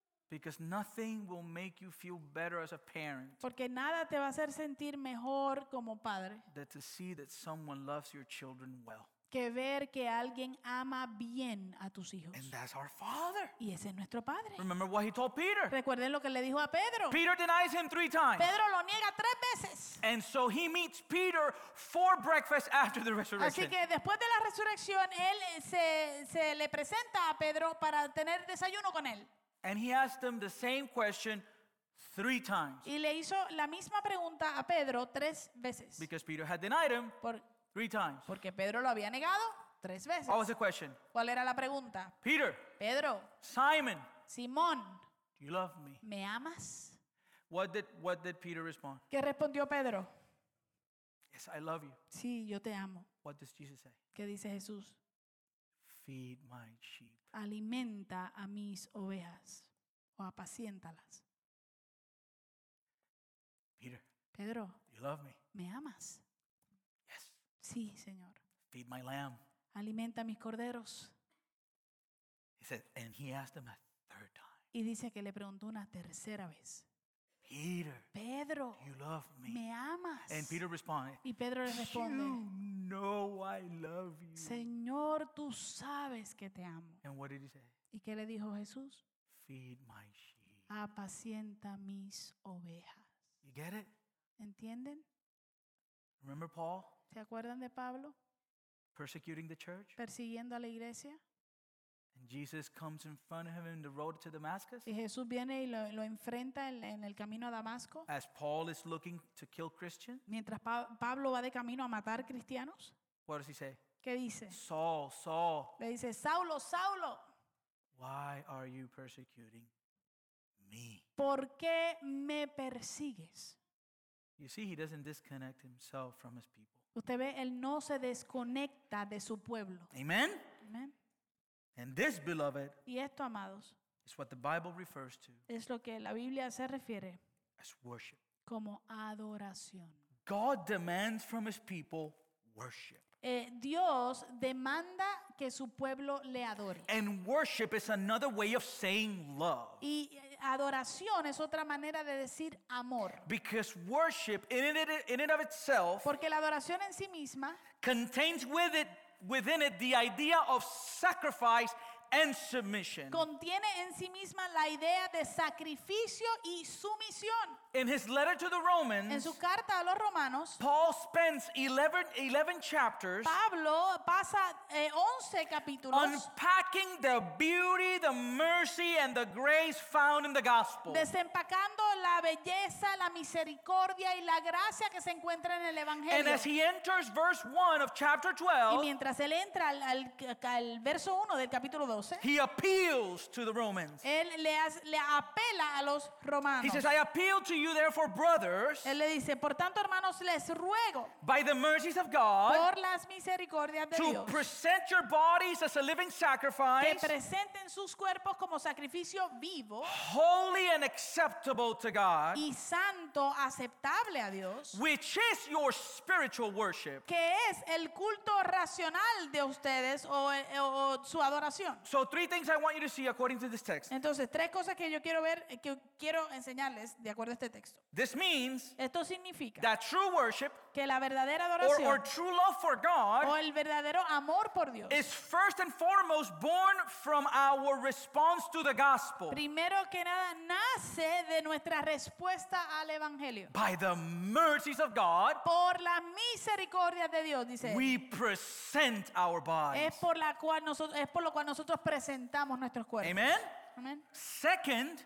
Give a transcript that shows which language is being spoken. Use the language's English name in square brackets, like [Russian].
[English] Because nothing will make you feel better as a parent. [Spanish] Porque nada te va a hacer sentir mejor como padre. [English] Than to see that someone loves your children well. [Spanish] Que ver que alguien ama bien a tus hijos. [English] And that's our Father. [Spanish] Y ese es nuestro padre. [English] Remember what he told Peter. [Spanish] Recuerden lo que le dijo a Pedro. [English] Peter denies him three times. [Spanish] Pedro lo niega tres veces. [English] And so he meets Peter for breakfast after the resurrection. [Spanish] Así que después de la resurrección, él se le presenta a Pedro para tener desayuno con él. [English] And he asked them the same question three times. [Spanish] Y le hizo la misma pregunta a Pedro tres veces. [English] Because Peter had denied him three times. [Spanish] Porque Pedro lo había negado tres veces. [English] What was the question? [Spanish] ¿Cuál era la pregunta? [English] Peter. [Spanish] Pedro. [English] Simon. [Spanish] Simón. [English] Do you love me? [Spanish] ¿Me amas? [English] What did Peter respond? [Spanish] ¿Qué respondió Pedro? [English] Yes, I love you. [Spanish] Sí, yo te amo. [English] What does Jesus say? [Spanish] ¿Qué dice Jesús? [English] Feed my sheep. [Spanish] Alimenta a mis ovejas o apaciéntalas. [English] Peter. [Spanish] Pedro. [English] You love me. [Spanish] ¿Me amas? [English] Yes. [Spanish] Sí, Señor. [English] Feed my lamb. [Spanish] Alimenta a mis corderos. [English] He said, and he asked him a third time. [Spanish] Y dice que le preguntó una tercera vez. [English] Peter. [Spanish] Pedro. [English] You love me. [Spanish] ¿Me amas? [English] And Peter responded. [Spanish] Y Pedro le responde. [English] No, I love you. [Spanish] Señor, tú sabes que te amo. [English] And what did he say? [Spanish] ¿Y qué le dijo Jesús? [English] Feed my sheep. [Spanish] Apacienta mis ovejas. [English] You get it? [Spanish] ¿Entienden? [English] Remember Paul? [Spanish] ¿Se acuerdan de Pablo? [English] Persecuting the church? [Spanish] Persiguiendo a la iglesia. [English] And Jesus comes in front of him in the road to Damascus. [Spanish] Y Jesús viene y lo enfrenta en el camino a Damasco. [English] As Paul is looking to kill Christians. [Spanish] Mientras Pablo va de camino a matar cristianos. [English] What does he say? [Spanish] ¿Qué dice? [English] Saul, Saul. [Spanish] Le dice, Saulo, Saulo. [English] Why are you persecuting me? [Spanish] ¿Por qué me persigues? [English] You see, he doesn't disconnect himself from his people. [Spanish] Usted ve, él no se desconecta de su pueblo. [English] Amen. [Spanish] Amen. [English] And this, beloved, [Spanish] y esto, amados, [English] is what the Bible refers to. [Spanish] Es lo que la Biblia se refiere [English] as worship. [Spanish] Como adoración. [English] God demands from his people worship. [Spanish] Dios demanda que su pueblo le adore. [English] And worship is another way of saying love. [Spanish] Y adoración es otra manera de decir amor. [English] Because worship in and of itself, [Spanish] porque la adoración en sí misma, [English] contains with it within it the idea of sacrifice and submission. [Spanish] Contiene en sí misma la idea de sacrificio y sumisión. [English] In his letter to the Romans, [Spanish] en su carta a los Romanos, [English] Paul spends 11 chapters, [Spanish] Pablo pasa 11 capítulos, [English] unpacking the beauty, the mercy, and the grace found in the gospel. [Spanish] Desempacando la belleza, la misericordia y la gracia que se encuentra en el evangelio. [English] And as he enters verse 1 of chapter 12, [Spanish] y mientras él entra al verso 1 del capítulo 12, [English] he appeals to the Romans. [Spanish] Él le apela a los Romanos. [English] He says, I appeal to you therefore, brothers, [Spanish] él le dice, por tanto, hermanos, les ruego, [English] by the mercies of God, [Spanish] por las misericordias de [English] to [Spanish] Dios, [English] present your bodies as a living sacrifice, [Spanish] que presenten sus cuerpos como sacrificio vivo, [English] holy and acceptable to God, [Spanish] y santo, aceptable a Dios, [English] which is your spiritual worship, [Spanish] que es el culto racional de ustedes o su adoración. [English] So three things I want you to see according to this text. [Spanish] Entonces, tres cosas que yo quiero ver, que quiero enseñarles de acuerdo a este texto. [English] This means [Spanish] esto significa [English] that true worship, [Spanish] que la verdadera adoración, [English] or true love for God, [Spanish] o el verdadero amor por Dios, [English] is first and foremost born from our response to the gospel. [Spanish] Primero que nada, nace de nuestra respuesta al evangelio. [English] By the mercies of God, [Spanish] por la misericordia de Dios, dice, [English] we present our bodies. [Spanish] Es por la cual nosotros, es por lo cual nosotros presentamos nuestros cuerpos. [English] Amen. [Spanish] Amen. [English] Second,